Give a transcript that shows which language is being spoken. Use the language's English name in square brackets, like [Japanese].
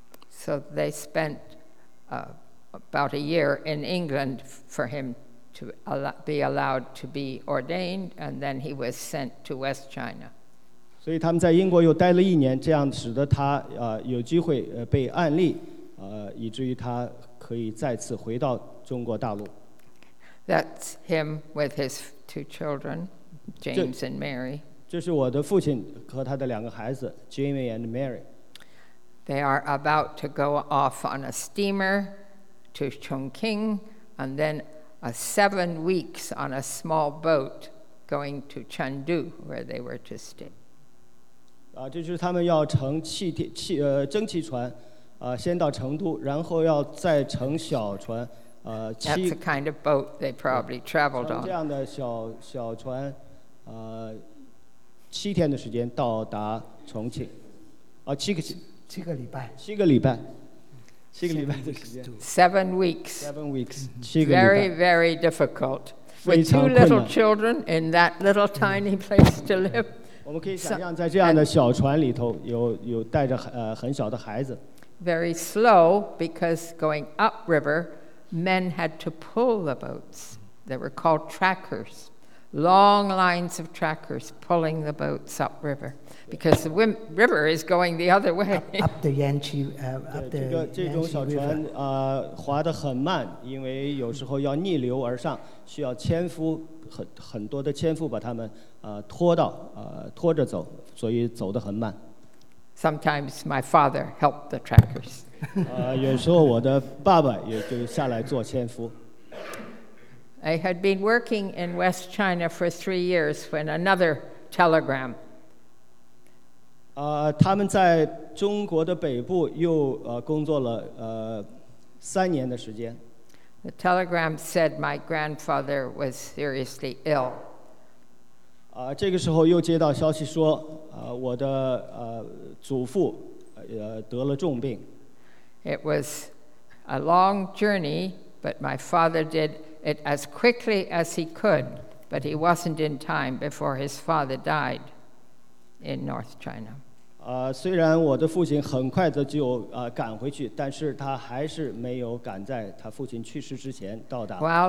[English] So they spent about a year in England for him to be allowed to be ordained, and then he was sent to West China. [Chinese] 所以他们在英国又待了一年，这样使得他有机会被安立，以至于他可以再次回到中国大陆。 [English] That's him with his two children, James and Mary. [Chinese] 这是我的父亲和他的两个孩子 Jamie and Mary. [English] They are about to go off on a steamer to Chongqing and then 7 weeks on a small boat going to Chengdu where they were to stay. [Chinese] 这就是他们要乘蒸汽船先到成都，然后要再乘小船 [English] That's the kind of boat they probably traveled on. [Chinese] 这样的小船七天的时间到达重庆，七个礼拜的时间。 [English] 7 weeks. 7 weeks. Very, very difficult. With two little children in that little tiny place to live. [Chinese] 我们可以想象，在这样的小船里头有带着很小的孩子。 [English] Very slow because going up river, men had to pull the boats. They were called trackers. Long lines of trackers pulling the boats up river because the river is going the other way. Up the Yangtze, up the Yangtze River. [Chinese] 这种小船划得很慢，因为有时候要逆流而上，需要纤夫很多的纤夫把他们拖着走，所以走得很慢。 [English] Sometimes my father helped the trackers. [Chinese] 有时候我的爸爸也就下来做纤夫。 [English] I had been working in West China for 3 years when another telegram. [Chinese] 他们在中国的北部又工作了三年的时间。 [English] The telegram said my grandfather was seriously ill. [Chinese] 这个时候又接到消息说我的祖父得了重病。 [English] It was a long journey, but my father did. It as quickly as he could, but he wasn't in time before his father died in North China. [Chinese] 虽然我的父亲很快的就赶回去，但是他还是没有赶在他父亲去世之前到达。